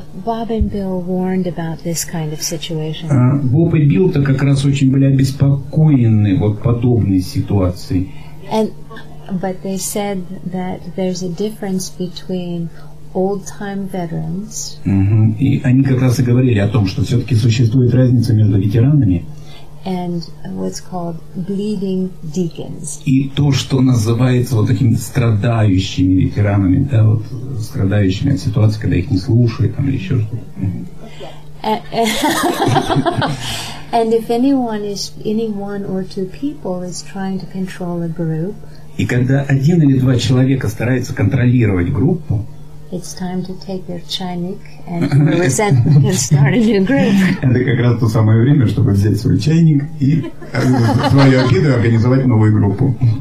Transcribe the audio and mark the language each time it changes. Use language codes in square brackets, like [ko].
[en] Боб и Билл warned about this kind of situation. [ru] Боб и Билл-то как раз очень были обеспокоены вот подобной ситуацией. [en] And, but they said that there's a difference between old-time veterans. [ru] И они как раз и говорили о том, что все-таки существует разница между ветеранами. [en] And what's called bleeding deacons. [ru] И то, что называется вот такими страдающими ветеранами, да, вот страдающими от ситуации, когда их не слушают, там, или еще что-то. [en] And if anyone is any one or two people is trying to control a group. [ru] И когда один или два человека старается контролировать группу. [en] It's time to take their чайник and resentment and start a new group. [ru] Это как раз то самое время, чтобы взять свой чайник и свою обиду организовать новую группу.